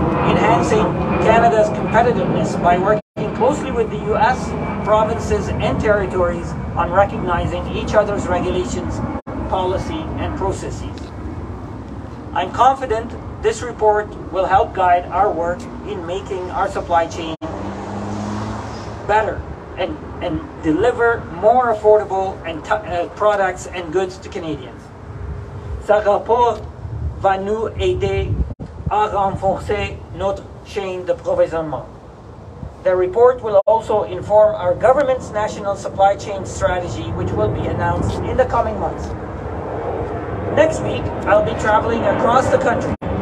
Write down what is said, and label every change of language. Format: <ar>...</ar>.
<en>enhancing Canada's competitiveness by working closely with the U.S., provinces, and territories on recognizing each other's regulations, policy, and processes. I'm confident this report will help guide our work in making our supply chain better and deliver more affordable and products and goods to Canadians.</en> <fr>Ce rapport va nous aider à renforcer notre chaîne de provisionnement.</fr> <en>The report will also inform our government's national supply chain strategy, which will be announced in the coming months. Next week, I'll be traveling across the country.</en>